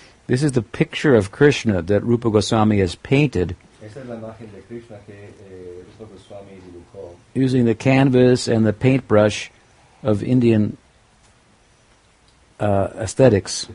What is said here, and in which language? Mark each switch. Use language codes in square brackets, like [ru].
[en] This is the picture of Krishna that Rupa Goswami has painted. [es] Esa es la imagen de Krishna que, Rupa Goswami dibujó. [en] Using the canvas and the paintbrush of Indian aesthetics.